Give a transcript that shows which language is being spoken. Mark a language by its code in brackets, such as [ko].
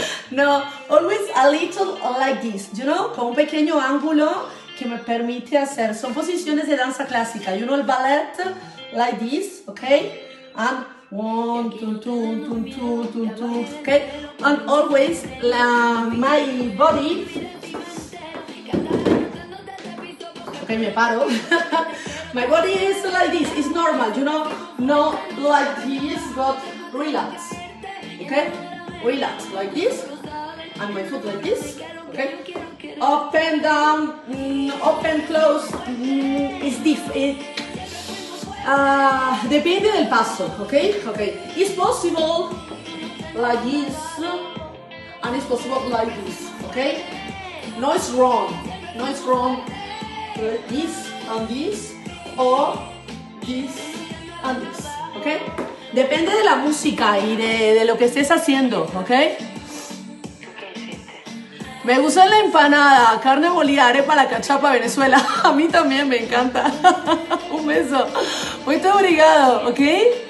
[en] No, always a little like this, you know? [es] Con un pequeño ángulo que me permite hacer. Son posiciones de danza clásica. [en] You know, [es] el ballet, [en] like this, ok? And one, two, two, two, two, two, two, ok? And always la, my body. Ok, [es] me paro. [en] My body is like this, it's normal, you know? Not like this, but relax. Ok? Relax like this. And my foot like this. Ok? Up and down, up and close. It's different. [es] Depende del passo, ok? Ok. [en] It's possible like this, and it's possible like this, okay? No, it's wrong. No, it's wrong. This and this, or this and this, okay? [es] Depende de la música y de lo que estés haciendo, okay? Me gusta la empanada, carne molida, arepa, la cachapa, Venezuela. A mí también me encanta. Un beso. Muy obrigado, okay?